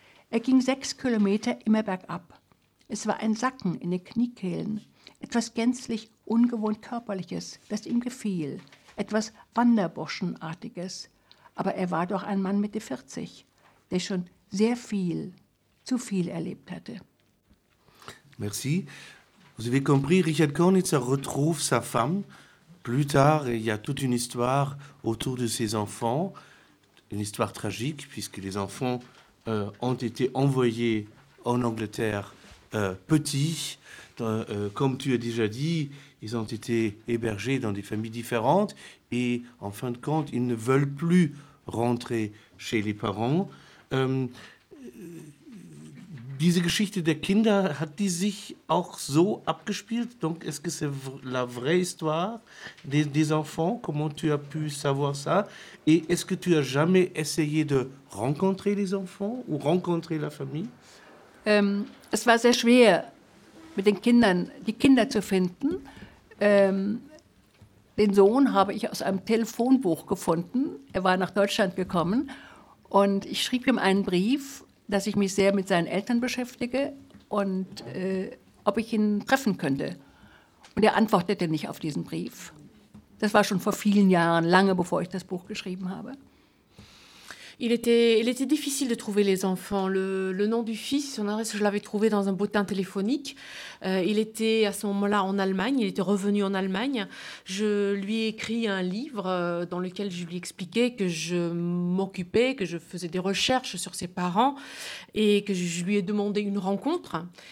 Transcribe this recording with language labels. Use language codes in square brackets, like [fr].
[de] Er ging 6 Kilometer immer bergab. Es war ein Sacken in den Kniekehlen, etwas gänzlich ungewohnt Körperliches, das ihm gefiel, etwas Wanderburschenartiges. Aber er war doch ein Mann Mitte 40, der schon sehr viel, zu viel erlebt hatte. [fr] Merci. Vous avez compris, Richard Kornitzer retrouve sa femme. Plus tard, il y a toute une histoire autour de ses enfants, une histoire tragique, puisque les enfants ont été envoyés en Angleterre petits. Comme tu as déjà dit, ils ont été hébergés dans des familles différentes et en fin de compte, ils ne veulent plus rentrer chez les parents. [de] Diese Geschichte der Kinder, hat die sich auch so abgespielt? [fr] Donc, est-ce que c'est la vraie histoire des enfants? Comment tu as pu savoir ça? Et est-ce que tu as jamais essayé de rencontrer les enfants ou rencontrer la famille? [de] Es war sehr schwer, mit den Kindern, die Kinder zu finden. Den Sohn habe ich aus einem Telefonbuch gefunden. Er war nach Deutschland gekommen und ich schrieb ihm einen Brief, dass ich mich sehr mit seinen Eltern beschäftige und ob ich ihn treffen könnte. Und er antwortete nicht auf diesen Brief. Das war schon vor vielen Jahren, lange bevor ich das Buch geschrieben habe. [fr] Il était difficile de trouver les enfants. Le nom du fils, son adresse, je l'avais trouvé dans un bulletin téléphonique. Il était à ce moment-là en Allemagne, il était revenu en Allemagne. Je lui ai écrit un livre dans lequel je lui expliquais que je m'occupais, que je faisais des recherches sur ses parents et que je lui ai demandé une rencontre.